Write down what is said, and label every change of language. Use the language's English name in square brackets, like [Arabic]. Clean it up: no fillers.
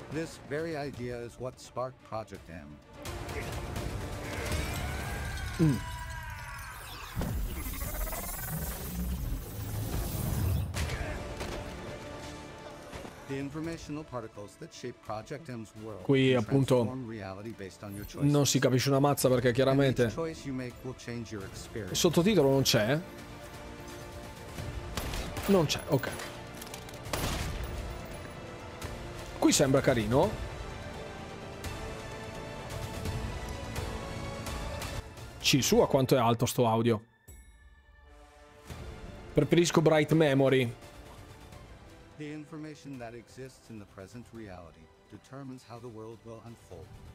[English] This very idea is what sparked Project M. The informational particles that shape Project M's world. [Italian] Qui appunto non si capisce una mazza, perché chiaramente il sottotitolo non c'è. Non c'è, ok. Qui sembra carino. Ci su, a quanto è alto sto audio? Preferisco Bright Memory. [English] The information that exists in the present reality determines how the world will unfold.